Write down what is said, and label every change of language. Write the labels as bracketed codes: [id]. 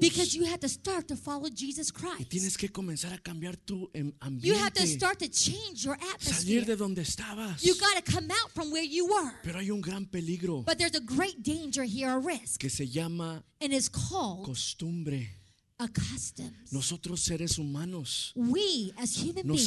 [en] Because you have to start to follow Jesus Christ. [es] Y tienes que comenzar a cambiar tu ambiente. [en] You have to start to change your atmosphere. [es] Salir de donde estabas. [en] You got to come out from where you were. [es] Pero hay un gran peligro. [en] But there's a great danger here, a risk. [es] Que se llama [en] and is called [es] costumbre. [en] Accustoms. [es] Nosotros seres humanos, [en] we as human beings,